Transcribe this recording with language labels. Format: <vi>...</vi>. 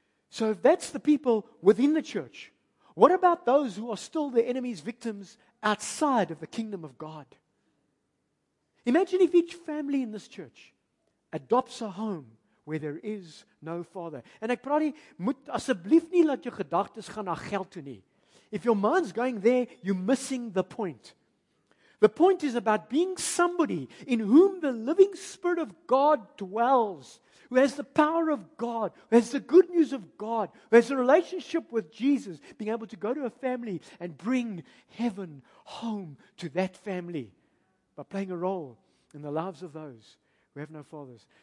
<en>So if that's the people within the church, what about those who are still the enemy's victims outside of the kingdom of God? Imagine if each family in this church adopts a home where there is no father.</en> <af>En ek praat nie, moet asseblief nie laat jou gedagtes gaan na geld toe nie.</af> <en>If your mind's going there, you're missing the point. The point is about being somebody in whom the living Spirit of God dwells, who has the power of God, who has the good news of God, who has a relationship with Jesus, being able to go to a family and bring heaven home to that family by playing a role in the lives of those who have no fathers.</en>